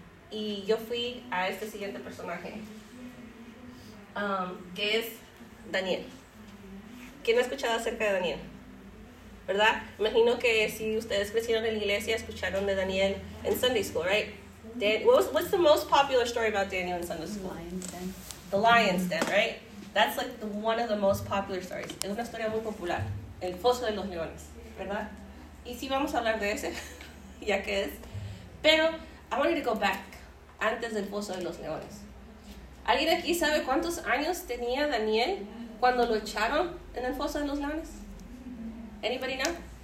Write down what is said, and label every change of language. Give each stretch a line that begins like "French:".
Spanish: Y yo fui a este siguiente personaje, que es Daniel. ¿Quién ha escuchado acerca de Daniel? ¿Verdad? Imagino que si ustedes crecieron en la iglesia, escucharon de Daniel en Sunday school, right?
English: What's the most popular story about Daniel in Sunday school? The lion's den. The lion's den, right? That's like the, one of the most popular stories.
Spanish: Es una historia muy popular. El foso de los leones, ¿verdad? Y sí, vamos a hablar de ese, ya que es. Pero,
English: I wanted to go back,
Spanish: antes del foso de los leones. ¿Alguien aquí sabe cuántos años tenía Daniel cuando lo echaron en el foso de los leones?
English: Anybody know?